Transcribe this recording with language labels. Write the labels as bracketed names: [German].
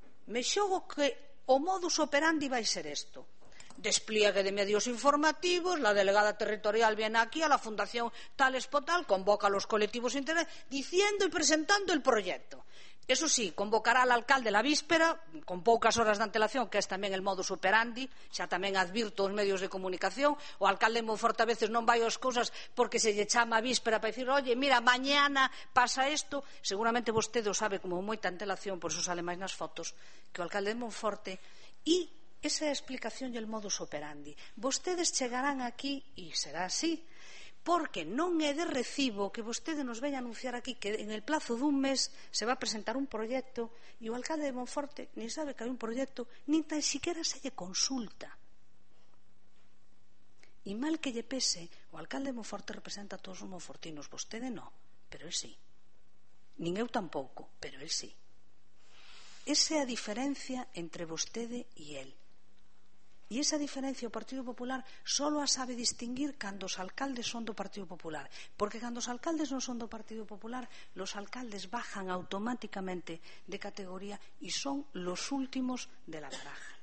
[Galician] Me xogo que o modus operandi vai ser esto: [Spanish] despliegue de medios informativos, la delegada territorial viene aquí a la fundación tal espotal, convoca a los colectivos interesados, diciendo y presentando el proyecto. Eso sí, convocará al alcalde la víspera, con pocas horas de antelación, que es también el modus operandi, [Galician] xa también advirto os medios de comunicación, o alcalde de Monforte a veces non vai as cousas porque se lle chama a víspera para decir, [Spanish] oye, mira, mañana pasa esto. [Galician] Seguramente vostede o sabe como moita antelación, por eso sale máis nas fotos, que o alcalde de Monforte y esa explicación y el modus operandi. Vostedes chegarán aquí, y será así, porque non é de recibo que vostede nos veña anunciar aquí que en el plazo dun mes se va a presentar un proyecto e o alcalde de Monforte ni sabe que hai un proyecto, ni tan siquiera se lle consulta. E mal que lle pese, o alcalde de Monforte representa a todos os monfortinos. Vostede no, pero él sí. Nin eu tampouco, pero él sí. Esa é a diferencia entre vostede e él. E esa diferencia o Partido Popular solo a sabe distinguir cando os alcaldes son do Partido Popular, porque cando os alcaldes non son do Partido Popular, [Spanish] los alcaldes bajan automáticamente de categoría e son los últimos de la baraja.